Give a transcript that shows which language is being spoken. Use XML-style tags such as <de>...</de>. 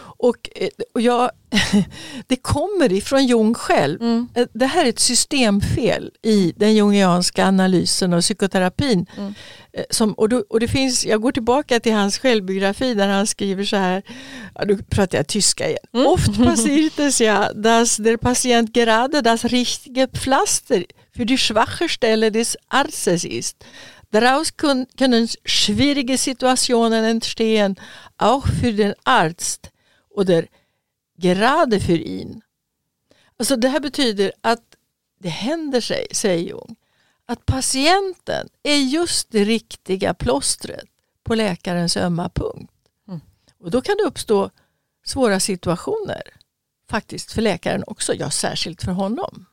<sv>Och jag, det kommer ifrån Jung själv. Mm. Det här är ett systemfel i den jungianska analysen och psykoterapin. Mm. Och det finns, jag går tillbaka till hans självbiografi där han skriver så här, ja, nu pratar jag tyska igen.</sv> <de>Oft passiert es ja, dass der Patient gerade das richtige Pflaster für die schwache Stelle des Arztes ist. Daraus können schwierige Situationen entstehen, auch für den Arzt.</de> <sv>Och där gerade för in. Alltså det här betyder att det händer sig, säger Jung, att patienten är just det riktiga plåstret på läkarens ömma punkt. Mm. Och då kan det uppstå svåra situationer faktiskt för läkaren också, ja, särskilt för honom.</sv>